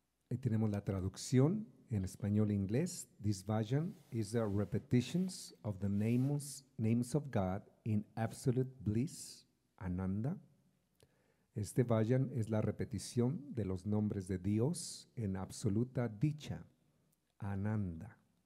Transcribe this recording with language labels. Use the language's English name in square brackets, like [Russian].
[Spanish] Ahí tenemos la traducción en español e inglés. [English] This version is a repetition of the names of God in absolute bliss, Ananda. [Spanish] Este vayan es la repetición de los nombres de Dios en absoluta dicha, Ananda.